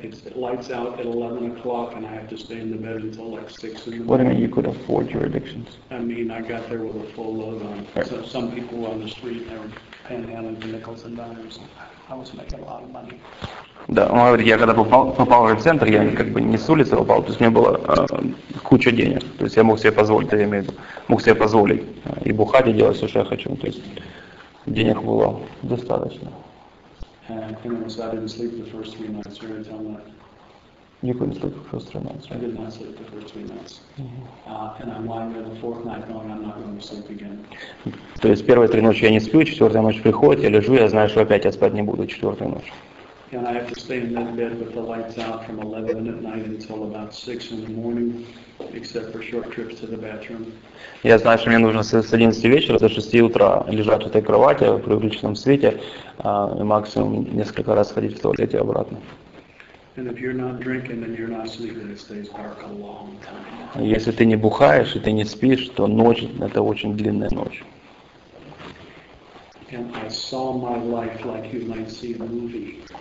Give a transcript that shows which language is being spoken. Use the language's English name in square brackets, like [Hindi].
[English] It lights out at 11 o'clock, and I have to stay in the bed until like 6 in the morning. What do you mean you could afford your addictions? I mean, I got there with a full load on. Right. So some people on the street, they were panhandling for nickels and dimes. I was making a lot of money. [Russian] Да, он говорит, я когда попал в центр, я как бы не с улицы попал, то есть у меня было куча денег. То есть я мог себе позволить, я имею в виду, мог себе позволить и бухать, и делать все, что я хочу. То есть денег было достаточно. [English] And I didn't sleep the first 3 nights, you're gonna tell me. You couldn't sleep for those 3 months. I did not sleep for the first 3 months. And I'm lying there the fourth night knowing I'm not going to sleep again. [Russian] То есть первые 3 ночи я не сплю, четвертая ночь приходит, я лежу, я знаю, что опять я спать не буду четвертую ночь. [English] And I have to stay in that bed with the lights out from 11 at night until about 6 in the morning, except for short trips to the bathroom. [Russian] Я знаю, что мне нужно с 11 вечера до 6 утра лежать в этой кровати при увеличенном свете, и максимум несколько раз ходить в туалет и обратно. [English] And if you're not drinking, then you're not sleeping. It stays dark a long time. [Russian] Если ты не бухаешь и ты не спишь, то ночь это очень длинная ночь. [English] And I saw my life like you might see a movie.